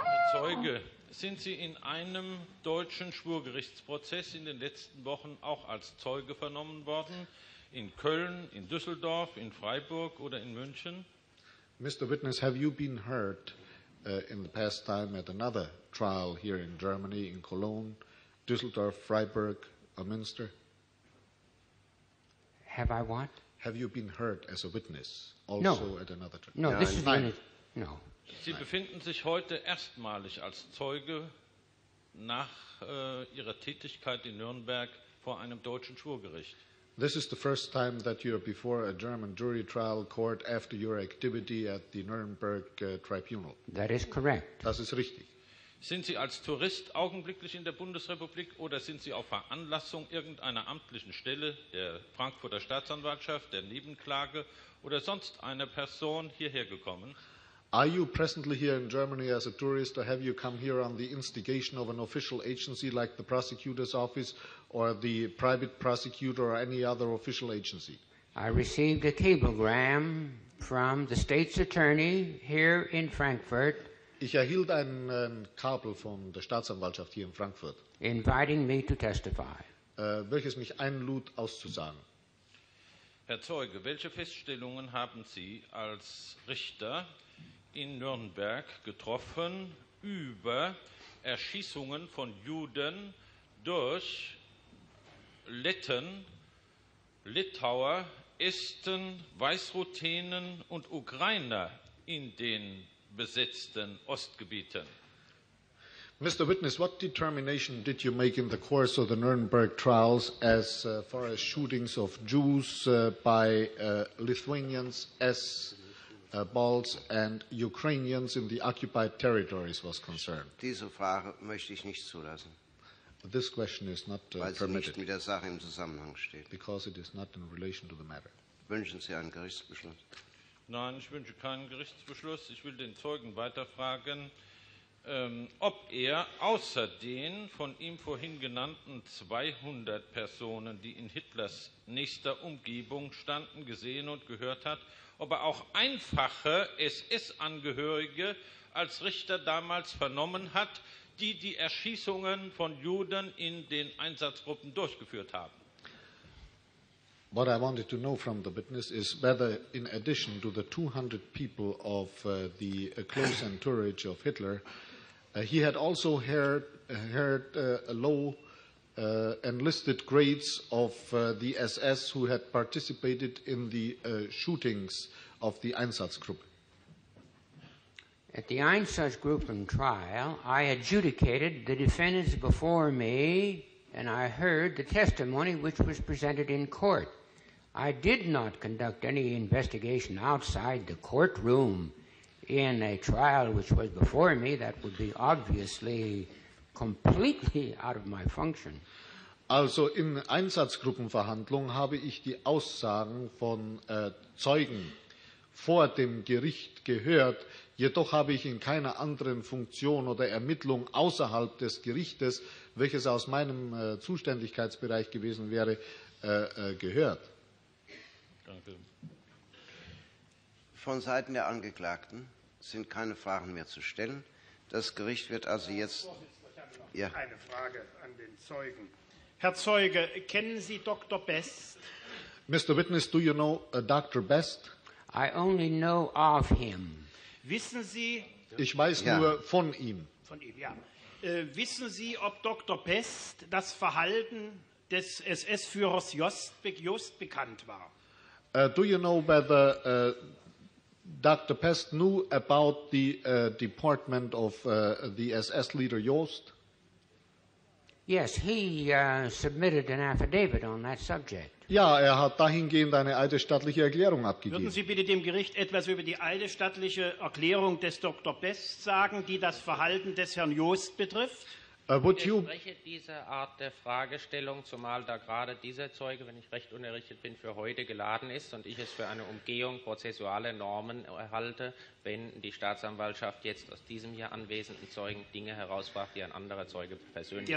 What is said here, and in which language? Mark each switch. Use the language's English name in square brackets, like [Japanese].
[German] Zeuge, sind Sie in einem deutschen Schwurgerichtsprozess in den letzten Wochen auch als Zeuge vernommen worden? In Köln, in Düsseldorf, in Freiburg oder in München? [English] Mr. Witness, have you been heard in the past time at another trial here in Germany, in Cologne, Düsseldorf, Freiburg, or Münster? Have I what? Have you been heard as a witness also no. at another trial? No, no, this is the only... No. [German] Sie befinden sich heute erstmalig als Zeuge nach Ihrer Tätigkeit in Nürnberg vor einem deutschen Schwurgericht. [English] This is the first time that you are before a German jury trial court after your activity at the Nuremberg Tribunal. That is correct. [German] Das ist richtig. Sind Sie als Tourist augenblicklich in der Bundesrepublik oder sind Sie auf Veranlassung irgendeiner amtlichen Stelle, der Frankfurter Staatsanwaltschaft, der Nebenklage oder sonst einer Person hierher gekommen? [English] Are you presently here in Germany as a tourist, or have you come here on the instigation of an official agency like the prosecutor's office or the private prosecutor or any other official agency? I received a cablegram from the state's attorney here in Frankfurt. [German] Ich erhielt einen Kabel von der Staatsanwaltschaft hier in Frankfurt. [English] Inviting me to testify. [German] Welches mich einlud, auszusagen. Herr Zeuge, welche Feststellungen haben Sie als Richter in Nürnberg getroffen über Erschießungen von Juden durch Letten, Litauer, Esten, Weißruthenen und Ukrainer in den besetzten Ostgebieten? [English] Mr. Witness, what determination did you make in the course of the Nuremberg trials as far as shootings of Jews by Lithuanians as Balts and Ukrainians in the occupied territories was concerned. [German] Diese Frage möchte ich nicht zulassen. [English] This question is not [German] weil sie [English] permitted. [German] Nicht mit der Sache im Zusammenhang steht. [English] Because it is not in relation to the matter. [German] Wünschen Sie einen Gerichtsbeschluss? Nein, ich wünsche keinen Gerichtsbeschluss. Ich will den Zeugen weiterfragen, ob er außer den von ihm vorhin genannten 200 Personen, die in Hitlers nächster Umgebung standen, gesehen und gehört hat, ob er auch einfache SS-Angehörige als Richter damals vernommen hat, die die Erschießungen von Juden in den Einsatzgruppen durchgeführt haben. [English] What I wanted to know from the witness is whether, in addition to the 200 people of the close entourage of Hitler, he had also heard low enlisted grades of the SS who had participated in the shootings of the Einsatzgruppe. At the Einsatzgruppen trial, I adjudicated the defendants before me, and I heard the testimony which was presented in court. I did not conduct any investigation outside the courtroom in a trial which was before me. That would be obviously completely out of my function. [German] Also in Einsatzgruppenverhandlungen habe ich die Aussagen von Zeugen vor dem Gericht gehört. Jedoch habe ich in keiner anderen Funktion oder Ermittlung außerhalb des Gerichtes, welches aus meinem Zuständigkeitsbereich gewesen wäre, gehört. Von Seiten der Angeklagten sind keine Fragen mehr zu stellen. Das Gericht wird also jetzt... Ja. Eine Frage an den Zeugen. Herr Zeuge, kennen Sie Dr. Best? [English] Mr. Witness, do you know Dr. Best? I only know of him. [German] Wissen Sie... Ich weiß ja. Nur von ihm. Von ihm, ja. Wissen Sie, ob Dr. Best das Verhalten des SS-Führers Jost bekannt war? [English] Do you know whether Dr. Pest knew about the deportment of the SS leader Jost? Yes, he submitted an affidavit on that subject. [German] Ja, hat dahingehend eine eidesstattliche Erklärung abgegeben. Würden Sie bitte dem Gericht etwas über die eidesstattliche Erklärung des Dr. Pest sagen, die das Verhalten des Herrn Jost betrifft? Ich widerspreche diese Art der Fragestellung, zumal da gerade dieser Zeuge, wenn ich recht unterrichtet bin, für heute geladen ist und ich es für eine Umgehung prozessualer Normen erhalte, wenn die Staatsanwaltschaft jetzt aus diesem hier anwesenden Zeugen Dinge herausbracht, die ein anderer Zeuge persönlich...